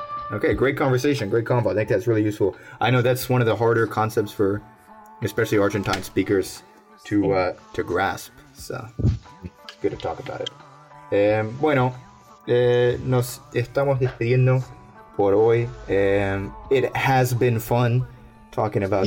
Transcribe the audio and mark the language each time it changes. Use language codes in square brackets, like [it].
[en] Okay, great conversation, great combo. I think that's really useful. I know that's one of the harder concepts for especially Argentine speakers to grasp. So good to talk about it. [es] Nos estamos despidiendo por hoy. [en] It has been fun talking about